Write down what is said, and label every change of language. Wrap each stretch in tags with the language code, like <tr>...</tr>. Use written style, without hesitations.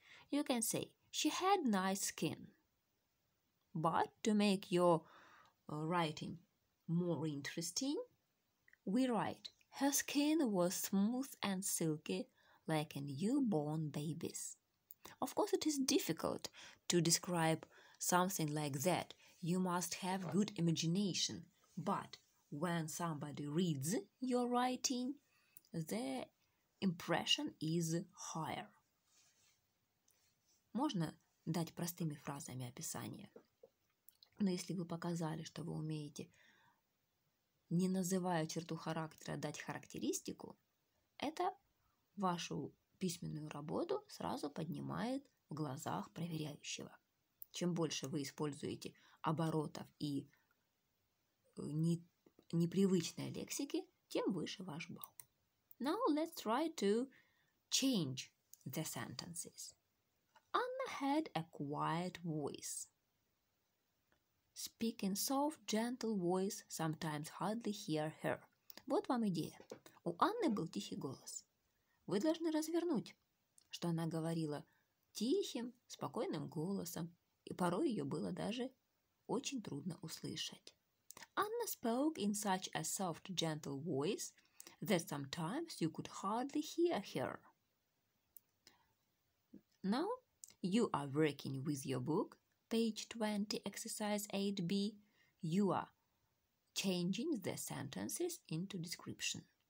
<en>You can say, she had nice skin. But to make your writing more interesting, we write, her skin was smooth and silky like a newborn baby's. Of course, it is difficult to describe something like that. You must have good imagination. But when somebody reads your writing, their impression is higher.</en> <ru>Можно дать простыми фразами описание. Но если вы показали, что вы умеете, не называя черту характера, дать характеристику, это вашу письменную работу сразу поднимает в глазах проверяющего. Чем больше вы используете оборотов и непривычной лексики, тем выше ваш балл.</ru> <en>Now let's try to change the sentences. Anna had a quiet voice. Speak in soft, gentle voice, sometimes hardly hear her.</en> <ru>Вот вам идея. У Анны был тихий голос. Вы должны развернуть, что она говорила тихим, спокойным голосом, и порой ее было даже очень трудно услышать.</ru> <en>Anna spoke in such a soft, gentle voice that sometimes you could hardly hear her. Now, you are working with your book, page 20, exercise 8b. You are changing the sentences into description.</en>